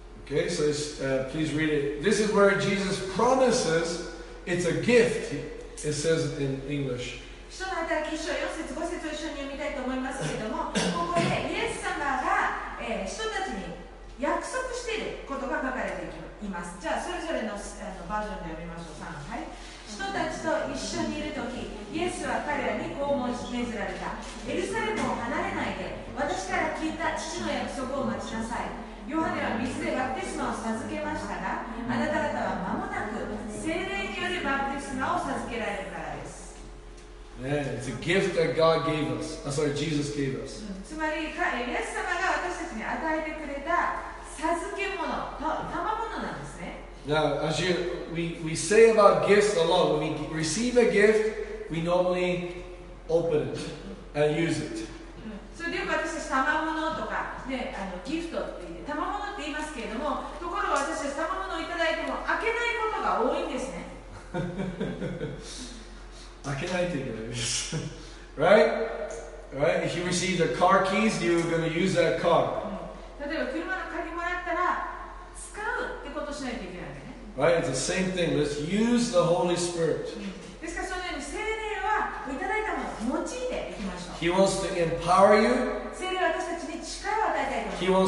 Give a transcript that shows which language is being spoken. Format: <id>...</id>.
<en>Okay, so please read it. This is where Jesus promises it's a gift, it says in English.</en> <ja>使徒の働き1章4節5節を一緒に読みたいと思いますけれども、ここでイエス様が、人たちに約束していることが書かれています。じゃあそれぞれ のバージョンで読みましょう。 3、はい、人たちと一緒にいるとき、イエスは彼らにこう申し命ずられた。エルサレムを離れないで、私から聞いた父の約束を待ちなさい。ヨハネは水でバプテスマを授けましたが、あなた方は間もなく聖霊によるバプテスマを授けられるから。</ja> <en>Yeah, it's a gift that God gave us. I'm sorry, Jesus gave us.</en> <ja>つまり、イエス様が私たちに与えてくれた授け物、賜物なんですね。</ja> <en>Now, as you, we say about gifts a lot. When we receive a gift, we normally open it and use it.</en> <ja>それでよく私たち賜物とか、ね、ギフトって言って、賜物って言いますけれども、ところが私たち賜物をいただいても開けないことが多いんですね。開けないといけないです。</ja> <en>Right? Right? If you receive the car keys, you're going to use that car.</en> <ja>例えば車の鍵もらったら使うってことしないといけないね。</ja> <en>Right? It's the same thing. Let's use the Holy Spirit.</en> <ja>ですからそのように聖霊はいただいたものを用いていきましょう。</ja> <en>He wants to empower you.</en> <ja>聖霊は私たちに力を与えたいと思う。</ja>